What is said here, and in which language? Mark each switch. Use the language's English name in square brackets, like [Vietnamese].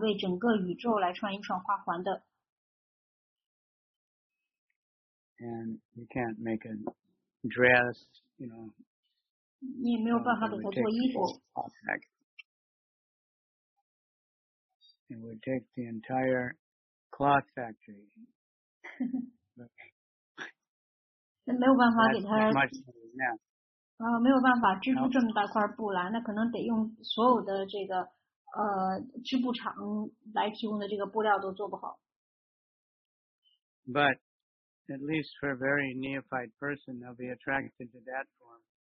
[Chinese] 那时候，Prabhupada就讲到了，如果要是宇宙的整个这个形象的话，你是没有办法为整个宇宙来穿一串花环的。 [English] And you can't make a dress, you know. [Chinese] 你也没有办法给他做衣服。 [English] It would take the entire cloth factory. [Chinese] 没有办法给他织出这么大块布来，那可能得用所有的这个织布厂来提供的这个布料都做不好。 [English] But at least for a very neophyte person, they'll be attracted to that form.